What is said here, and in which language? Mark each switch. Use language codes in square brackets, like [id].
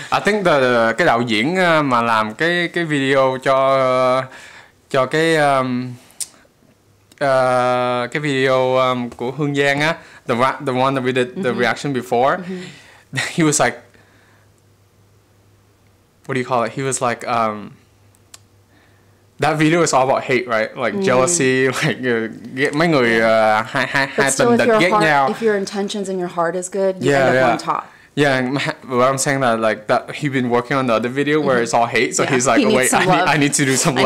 [en] I think [vi] cái đạo diễn mà làm cái video cho cái video của Hương Giang á, [en] the one that we did the reaction before, he was like, what do you call it? He was like, that video is all about hate, right? Like jealousy, like get [vi] mấy người hai tình địch ghét nhau. [en] If your intentions and your heart is good, you end up on top. Yeah, what I'm saying that, like, that he'd been working on the other video where it's all hate, so he's like, I need to do some love.